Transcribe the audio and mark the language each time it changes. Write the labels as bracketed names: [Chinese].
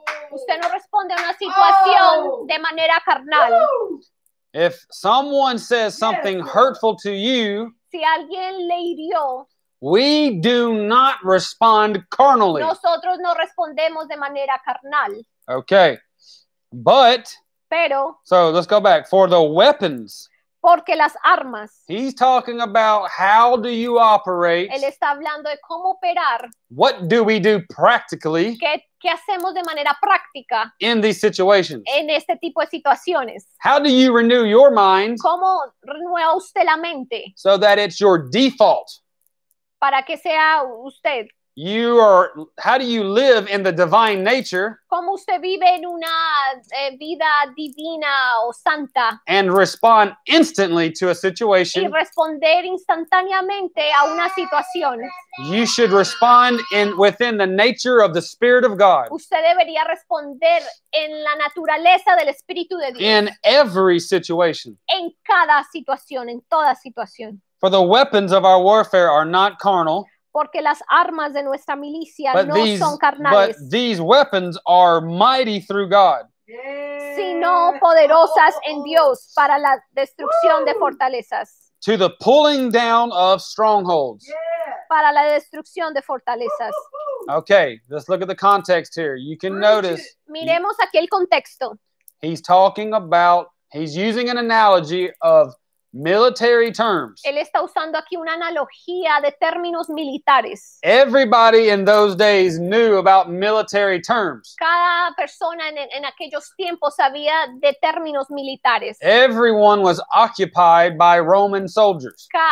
[Spanish] Usted no responde a una situación de manera carnal. [English] If someone says something hurtful to you, [Spanish] si alguien le hirió, [English] we do not respond carnally. [Spanish] Nosotros no respondemos de manera carnal. [English] Okay. But. [Spanish] Pero. [English] So let's go back. For the weapons. [Spanish] Porque las armas. [English] He's talking about how do you operate. [Spanish] Él está hablando de cómo operar. [English] What do we do practically. [Spanish] ¿Qué hacemos de manera práctica? [English] In these situations. [Spanish] En este tipo de situaciones. [English] How do you renew your mind. [Spanish] ¿Cómo renueva usted la mente? [English] So that it's your default. [Spanish] Para que sea usted. [English] You are, how do you live in the divine nature? [Spanish] ¿Cómo usted vive en una vida divina o santa? [English] And respond instantly to a situation. [Spanish] Y responder instantáneamente a una situación. [English] You should respond within the nature of the Spirit of God. [Spanish] Usted debería responder en la naturaleza del Espíritu de Dios. [English] In every situation. [Spanish] En cada situación, en toda situación. [English] For the weapons of our warfare are not carnal. [Spanish] Porque las armas de nuestra milicia [English] but no these, [Spanish] son carnales. [English] But these weapons are mighty through God. Yeah. [Spanish] Sino poderosas en Dios para la destrucción de fortalezas. [English] To the pulling down of strongholds. Yeah. [Spanish] Para la destrucción de fortalezas. [English] Okay, let's look at the context here. You can notice. [Spanish] Miremos aquí el contexto. [English] He's talking about, he's using an analogy of military terms. [Spanish] Él está usando aquí una analogía de términos militares. [English] Everybody in those days knew about military terms. [Spanish] Cada persona en aquellos tiempos sabía de términos militares. [English] Everyone was occupied by Roman soldiers.